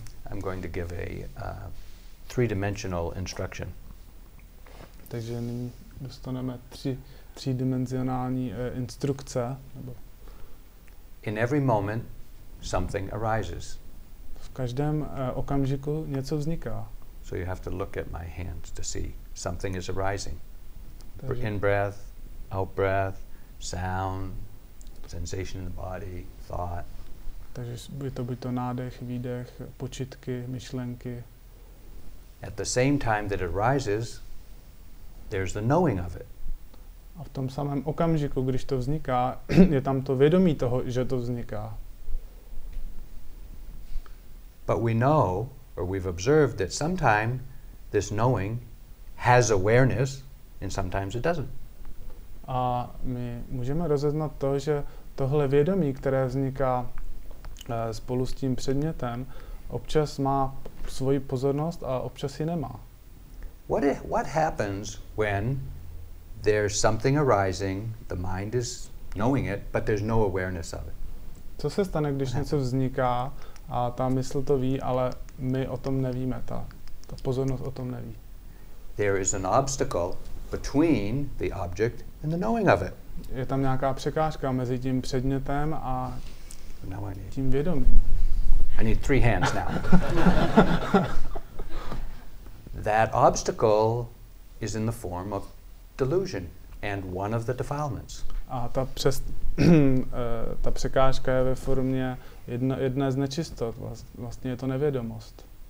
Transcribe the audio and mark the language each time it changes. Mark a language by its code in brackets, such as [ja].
[en] I'm going to give a three-dimensional instruction. [cs] Takže nyní dostaneme třídimenzionální instrukce. Nebo [en] in every moment something arises. [cs] V každém okamžiku něco vzniká. [en] So you have to look at my hands to see something is arising. In breath, out breath, sound, sensation in the body, thought. [cs] Takže by to nádech, výdech, počitky, myšlenky. [en] At the same time that it arises, there's the knowing of it. [cs] A v tom samém okamžiku, když to vzniká, je tam to vědomí toho, že to vzniká. [en] But we know, or we've observed, that sometimes this knowing has awareness, and sometimes it doesn't. [cs] A my můžeme rozeznat to, že tohle vědomí, které vzniká spolu s tím předmětem, občas má svoji pozornost a občas ji nemá. [en] What happens when there's something arising, the mind is knowing it, but there's no awareness of it? [cs] Co se stane, když něco vzniká a ta mysl to ví, ale my o tom nevíme, ta pozornost o tom neví? [en] There is an obstacle between the object and the knowing of it. [cs] Je tam nějaká překážka mezi tím předmětem a tím vědomím. [en] I need three hands now. That obstacle is in the form of delusion and one of the defilements. [cs] A ta překážka je ve formě jedné z nečistot, vlastně je to nevědomost.